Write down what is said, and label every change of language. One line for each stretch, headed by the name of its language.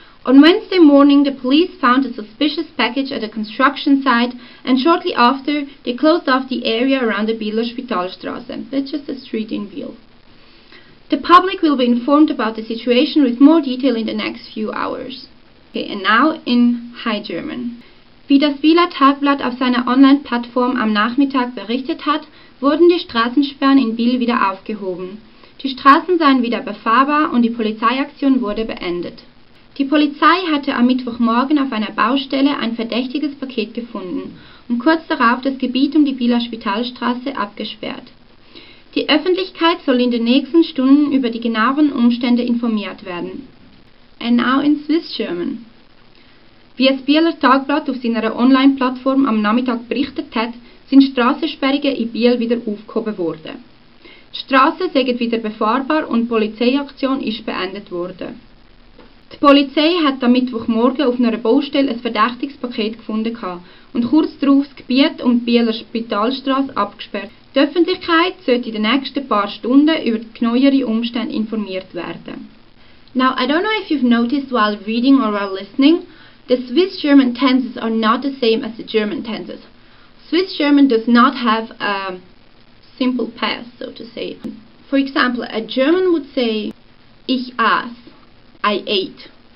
English: On Wednesday morning, the police found a suspicious package at a construction site, and shortly after, they closed off the area around the Bieler Spitalstrasse. That's just a street in Biel. The public will be informed about the situation with more detail in the next few hours. Okay, and now in High German.
German: Wie das Bieler Tagblatt auf seiner Online-Plattform am Nachmittag berichtet hat, wurden die Straßensperren in Biel wieder aufgehoben. Die Straßen seien wieder befahrbar und die Polizeiaktion wurde beendet. Die Polizei hatte am Mittwochmorgen auf einer Baustelle ein verdächtiges Paket gefunden und kurz darauf das Gebiet um die Bieler Spitalstraße abgesperrt. Die Öffentlichkeit soll in den nächsten Stunden über die genaueren Umstände informiert werden.
English: And now in Swiss German.
German: Wie das Bieler Tagblatt auf seiner Online-Plattform am Nachmittag berichtet hat, sind Strassensperrungen in Biel wieder aufgehoben worden. Die Strasse sind wieder befahrbar und die Polizeiaktion ist beendet worden. Die Polizei hat am Mittwochmorgen auf einer Baustelle ein verdächtiges Paket gefunden und kurz darauf das Gebiet um die Bieler Spitalstrasse abgesperrt. Die Öffentlichkeit sollte in den nächsten paar Stunden über die neueren Umstände informiert werden.
English: Now, I don't know if you've noticed while reading or while listening, the Swiss German tenses are not the same as the German tenses. Swiss German does not have a simple past, so to say. For example, a German would say,
German: ich aß,
English: I ate.